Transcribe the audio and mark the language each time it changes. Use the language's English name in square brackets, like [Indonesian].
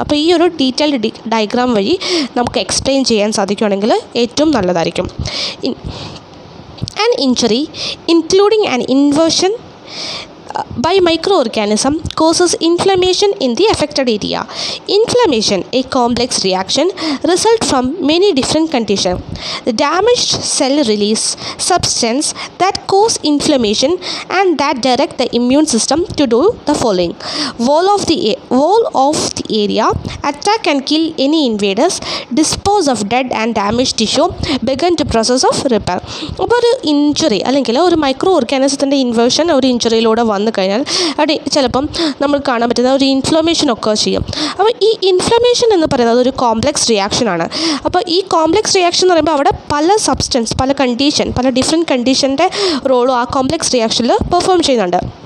[Malayalam] അപ്പോൾ ഈ ഒരു ഡീറ്റെയിൽഡ് ഡയഗ്രാം വഴി നമുക്ക് എക്സ്പ്ലെയിൻ ചെയ്യാൻ സാധിക്കുകയാണെങ്കിൽ ഏറ്റവും നല്ലതായിരിക്കും. [English] An injury including an inversion by microorganism causes inflammation in the affected area. Inflammation, a complex reaction, result from many different conditions. The damaged cell release substance that cause inflammation and that direct the immune system to do the following. Wall of the area, attack and kill any invaders, dispose of dead and damaged tissue, begin to process of repair. [Malayalam] ഒരു injury അല്ലെങ്കിൽ ഒരു micro ഓർഗാനിസത്തിൻ്റെ inversion ഒരു ഇഞ്ചുറിയിലൂടെ വന്നു കഴിഞ്ഞാൽ അവിടെ ചിലപ്പം നമ്മൾ കാണാൻ പറ്റുന്ന ഒരു ഇൻഫ്ലമേഷൻ ഒക്കെ ചെയ്യും. അപ്പോൾ ഈ ഇൻഫ്ലമേഷൻ എന്ന് പറയുന്നത് ഒരു കോംപ്ലക്സ് റിയാക്ഷനാണ്. അപ്പോൾ ഈ കോംപ്ലക്സ് റിയാക്ഷൻ എന്ന് പറയുമ്പോൾ അവിടെ പല സബ്സ്റ്റൻസ് പല കണ്ടീഷൻ പല ഡിഫറെൻറ്റ് കണ്ടീഷൻ്റെ റോളും ആ കോംപ്ലക്സ് റിയാക്ഷനിൽ പെർഫോം ചെയ്യുന്നുണ്ട്.